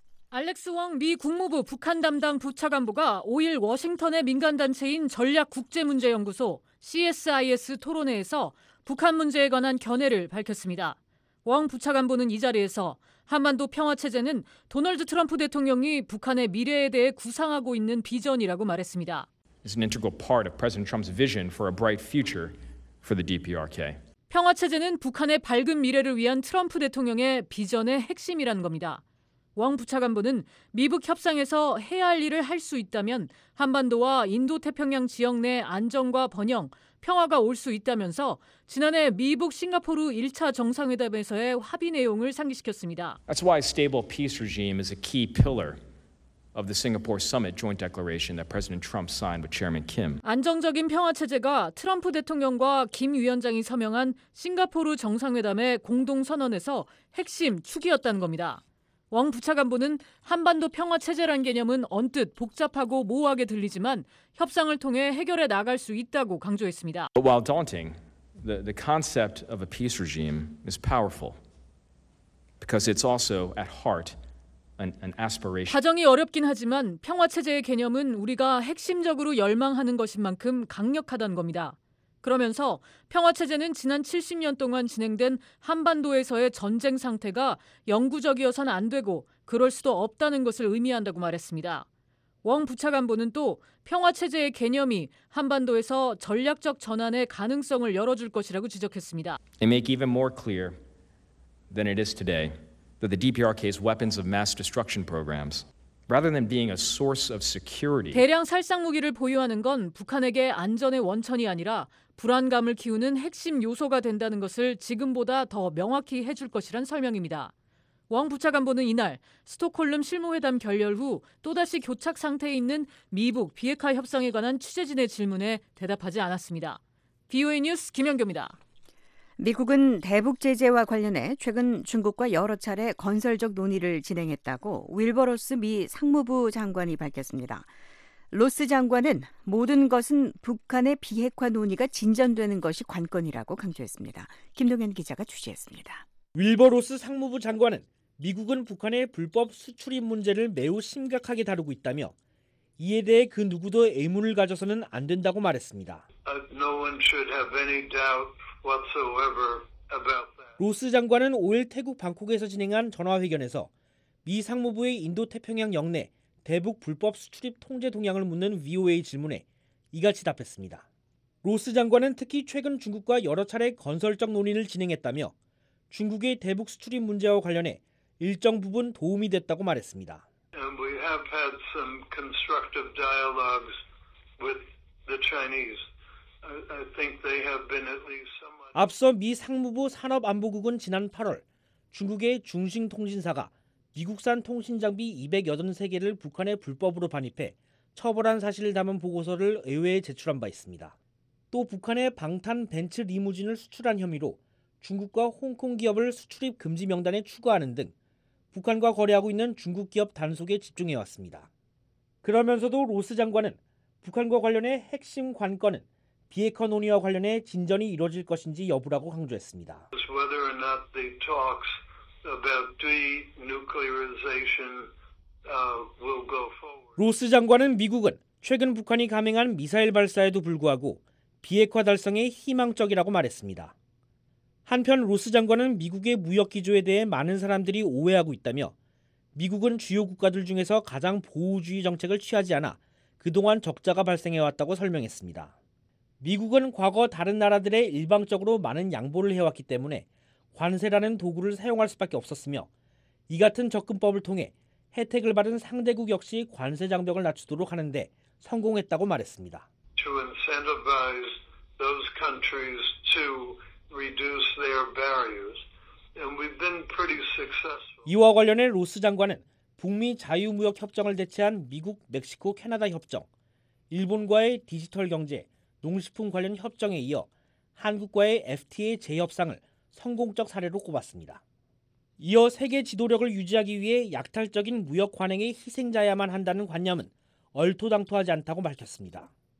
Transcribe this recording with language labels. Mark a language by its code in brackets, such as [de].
[ko] 알렉스 왕 미 국무부 북한 담당 부차관보가 5일 워싱턴의 민간단체인 전략국제문제연구소 CSIS 토론회에서 북한 문제에 관한 견해를 밝혔습니다. 왕 부차관보는 이 자리에서 한반도 평화체제는 도널드 트럼프 대통령이 북한의 미래에 대해 구상하고 있는 비전이라고 말했습니다. [en] It's an integral part of President Trump's vision for a bright future for the DPRK. [ko] 평화체제는 북한의 밝은 미래를 위한 트럼프 대통령의 비전의 핵심이라는 겁니다. 왕 부차관보는 미북 협상에서 해야 할 일을 할 수 있다면 한반도와 인도태평양 지역 내 안정과 번영, 평화가 올 수 있다면서 지난해 미북 싱가포르 1차 정상회담에서의 합의 내용을 상기시켰습니다. [en] That's why a stable peace regime is a key pillar of the Singapore Summit Joint Declaration that President Trump signed with Chairman Kim. [ko] 안정적인 평화 체제가 트럼프 대통령과 김 위원장이 서명한 싱가포르 정상회담의 공동 선언에서 핵심 축이었다는 겁니다. 왕 부차관보는 한반도 평화체제란 개념은 언뜻 복잡하고 모호하게 들리지만 협상을 통해 해결해 나갈 수 있다고 강조했습니다. [en] But while daunting, the concept of a peace regime is powerful because it's also at heart an aspiration. [ko] 과정이 어렵긴 하지만 평화체제의 개념은 우리가 핵심적으로 열망하는 것인 만큼 강력하다는 겁니다. 그러면서 평화체제는 지난 70년 동안 진행된 한반도에서의 전쟁 상태가 영구적이어서는 안 되고 그럴 수도 없다는 것을 의미한다고 말했습니다. 왕 부차관보는 또 평화체제의 개념이 한반도에서 전략적 전환의 가능성을 열어줄 것이라고 지적했습니다. [en] It makes even more clear than it is today that the DPRK's weapons of mass destruction programs rather than being a source of security. [ko] 대량 살상 무기를 보유하는 건 북한에게 안전의 원천이 아니라 불안감을 키우는 핵심 요소가 된다는 것을 지금보다 더 명확히 해줄 것이란 설명입니다. 왕 부차관보는 이날 스톡홀름 실무회담 결렬 후 또다시 교착 상태에 있는 미북 비핵화 협상에 관한 취재진의 질문에 대답하지 않았습니다. VOA 뉴스 김영규입니다. 미국은 대북 제재와 관련해 최근 중국과 여러 차례 건설적 논의를 진행했다고 윌버로스 미 상무부 장관이 밝혔습니다. 로스 장관은 모든 것은 북한의 비핵화 논의가 진전되는 것이 관건이라고 강조했습니다. 김동현 기자가 취재했습니다. 윌버로스 상무부 장관은 미국은 북한의 불법 수출입 문제를 매우 심각하게 다루고 있다며 이에 대해 그 누구도 의문을 가져서는 안 된다고 말했습니다. [en] No one should have any doubt whatsoever about that. [ko] 로스 장관은 5일 태국 방콕에서 진행한 전화회견에서 미 상무부의 인도태평양 역내 대북 불법 수출입 통제 동향을 묻는 VOA 질문에 이같이 답했습니다. 로스 장관은 특히 최근 중국과 여러 차례 건설적 논의를 진행했다며 중국의 대북 수출입 문제와 관련해 일정 부분 도움이 됐다고 말했습니다. [en] And we have had some constructive dialogues with the Chinese. I think they have been at least somewhat. [ko] 앞서 미 상무부 산업안보국은 지난 8월 중국의 중싱통신사가 미국산 통신장비 283개를 북한에 불법으로 반입해 처벌한 사실을 담은 보고서를 의회에 제출한 바 있습니다. 또 북한의 방탄 벤츠 리무진을 수출한 혐의로 중국과 홍콩 기업을 수출입 금지 명단에 추가하는 등 북한과 거래하고 있는 중국 기업 단속에 집중해왔습니다. 그러면서도 로스 장관은 북한과 관련해 핵심 관건은 비핵화 논의와 관련해 진전이 이루어질 것인지 여부라고 강조했습니다. [en] Whether or not the talks about denuclearization will go forward. [ko] 로스 장관은 미국은 최근 북한이 감행한 미사일 발사에도 불구하고 비핵화 달성에 희망적이라고 말했습니다. 한편 로스 장관은 미국의 무역 기조에 대해 많은 사람들이 오해하고 있다며 미국은 주요 국가들 중에서 가장 보호주의 정책을 취하지 않아 그동안 적자가 발생해왔다고 설명했습니다. 미국은 과거 다른 나라들의 일방적으로 많은 양보를 해왔기 때문에 관세라는 도구를 사용할 수밖에 없었으며 이 같은 접근법을 통해 혜택을 받은 상대국 역시 관세 장벽을 낮추도록 하는데 성공했다고 말했습니다. [en] To incentivize those countries to reduce their barriers. And we've been pretty successful. [ko] 이와 관련해 로스 장관은 북미 자유무역 협정을 대체한 미국, 멕시코, 캐나다 협정, 일본과의 디지털 경제, 농식품 관련 협정에 이어 한국과의 FTA 재협상을 성공적 사례로 꼽았습니다. 이어 세계 지도력을 유지하기 위해 약탈적인 무역 관행의 희생자야만 한다는 관념은 얼토당토하지 않다고 밝혔습니다.